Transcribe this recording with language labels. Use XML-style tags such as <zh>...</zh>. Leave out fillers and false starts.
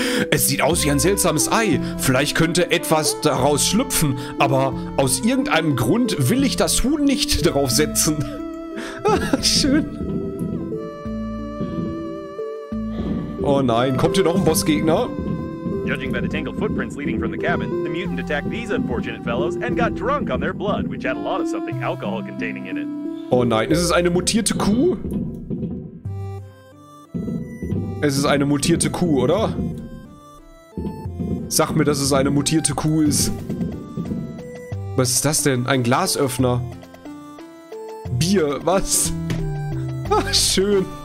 <de>Es sieht aus wie ein seltsames Ei. Vielleicht könnte etwas daraus schlüpfen, aber aus irgendeinem Grund will ich das Huhn nicht darauf setzen. Schön. Oh nein, kommt hier noch ein Bossgegner?</de> <en>Judging by the tangled footprints leading from the cabin, the mutant attacked these unfortunate fellows and got drunk on their blood, which had a lot of something alcohol containing in it.</en> <de>Oh nein, ist es eine mutierte Kuh? Es ist eine mutierte Kuh, oder? Sag mir, dass es eine mutierte Kuh ist. Was ist das denn? Ein Glasöffner. Bier, was? Ach, schön.</de>